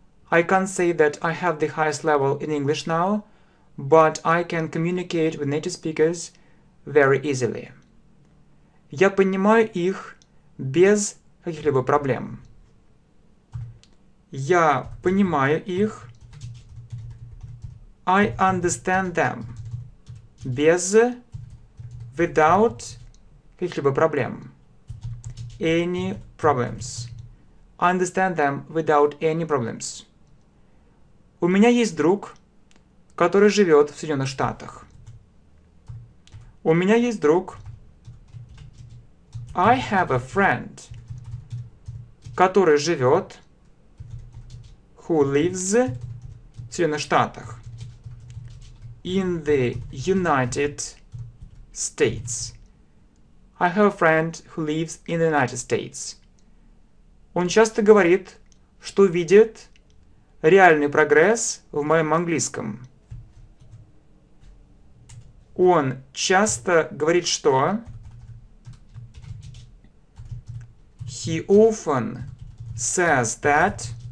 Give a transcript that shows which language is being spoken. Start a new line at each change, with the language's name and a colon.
English: I can't say that I have the highest level in English now, but I can communicate with native speakers very easily.
Russian: Я понимаю их без каких-либо проблем. Я понимаю их.
English: I understand them.
Russian: Без,
English: without
Russian: каких-либо проблем.
English: Any problems. I understand them without any problems.
Russian: У меня есть друг, который живет в Соединенных Штатах. У меня есть друг.
English: I have a friend,
Russian: который живет,
English: who lives
Russian: в Соединенных Штатах.
English: In the United States. I have a friend who lives in the United States.
Russian: Он часто говорит, что видит реальный прогресс в моем английском. Он часто говорит, что...
English: He often says that...